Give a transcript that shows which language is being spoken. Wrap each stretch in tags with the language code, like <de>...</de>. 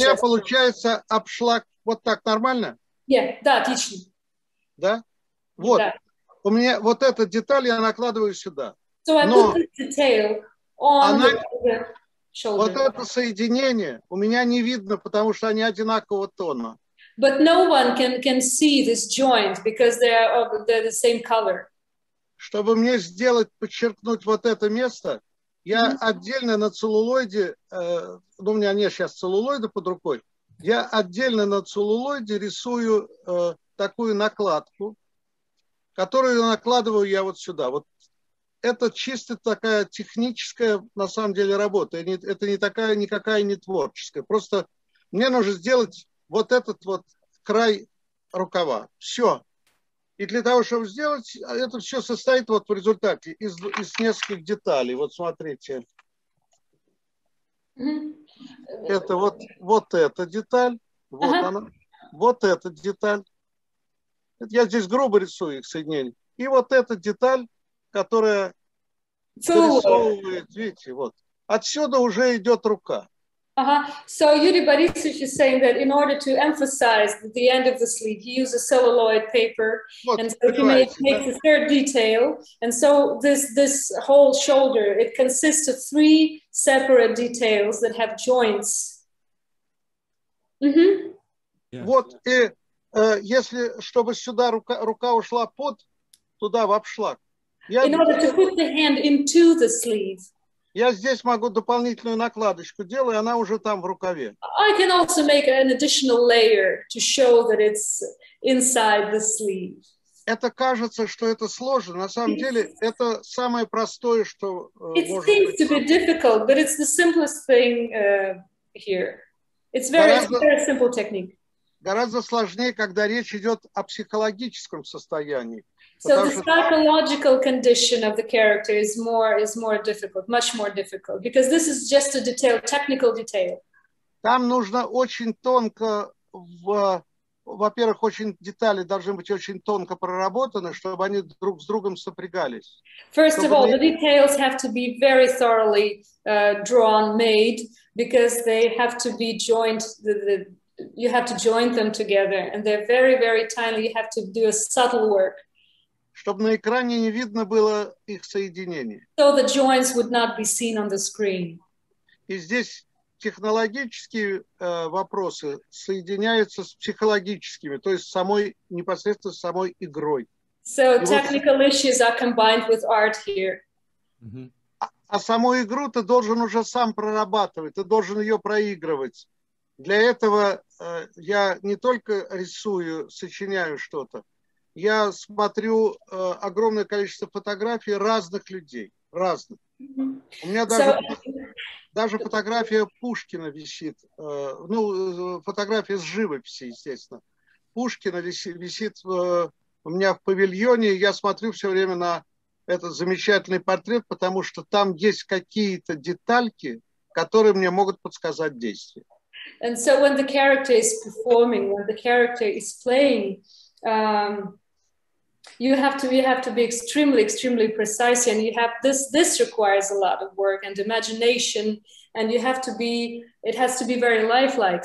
<ru>У меня получается обшлаг вот так нормально? Yeah, да, отлично. Да? Вот. Да. У меня вот эта деталь я накладываю сюда.</ru> <en>So I</en> <ru>но</ru> <en>put this detail on the shoulder.</en> <ru>Вот это соединение у меня не видно, потому что они одинакового тона.</ru> <en>But no one can see this joint because they're the same color.</en> <ru>Чтобы мне сделать, подчеркнуть вот это место, я отдельно на целлулоиде, ну, у меня нет сейчас целлулоида под рукой, я отдельно на целлулоиде рисую такую накладку, которую накладываю я вот сюда. Вот это чисто такая техническая, на самом деле, работа. Это не такая, никакая не творческая. Просто мне нужно сделать вот этот вот край рукава. Все. И для того, чтобы сделать, это все состоит вот в результате из нескольких деталей. Вот смотрите. Это вот, вот эта деталь, вот она, вот эта деталь. Я здесь грубо рисую их соединение. И вот эта деталь, которая дорисовывает, видите, вот. Отсюда уже идет рука.</ru> <en>So Yuri Borisovich is saying that in order to emphasize the end of the sleeve, he uses celluloid paper,</en> <ru>вот,</ru> <en>and so he makes a third detail. And so this whole shoulder, it consists of three separate details that have joints. Mm-hmm. Yeah.</en> <ru>Вот, и если, чтобы сюда рука ушла под, туда в обшлаг.</ru> <en>In order to put the hand into the sleeve.</en> <ru>Я здесь могу дополнительную накладочку делать, она уже там в рукаве.</ru> <en>I can also make an additional layer to show that it's inside the sleeve.</en> <ru>Это кажется, что это сложно. На самом деле, это самое простое, что</ru> <en>it seems</en> <ru>быть.</ru> <en>To be difficult, but it's the simplest thing here. It's very, very simple technique.</en> <ru>Гораздо сложнее, когда речь идет о психологическом состоянии.</ru> <en>So the psychological condition of the character is more difficult, much more difficult, because this is just a detail, technical detail.</en> <ru>Там нужно очень тонко, во-первых, очень детали должны быть очень тонко проработаны, чтобы они друг с другом сопрягались.</ru> <en>First of all, the details have to be very thoroughly drawn, made, because they have to be joined, you have to join them together, and they're very, very tiny, you have to do a subtle work.</en> <ru>Чтобы на экране не видно было их соединение.</ru> <en>So the joints would not be seen on the screen.</en> <ru>И здесь технологические вопросы соединяются с психологическими, то есть самой непосредственно самой игрой.</ru> <en>So</en> <ru>и</ru> <en>technical</en> <ru>вот,</ru> <en>issues are combined with art here.</en> <ru>А саму игру ты должен уже сам прорабатывать, ты должен ее проигрывать. Для этого я не только рисую, сочиняю что-то. Я смотрю огромное количество фотографий разных людей, разных. У меня даже фотография Пушкина висит, ну, фотография с живописи, естественно. Пушкина висит у меня в павильоне, я смотрю все время на этот замечательный портрет, потому что там есть какие-то детальки, которые мне могут подсказать действие.</ru> <en>And so when the character is performing, when the character is playing, You have to be extremely, extremely precise, and you have this requires a lot of work and imagination, and you have to be, it has to be very lifelike.</en>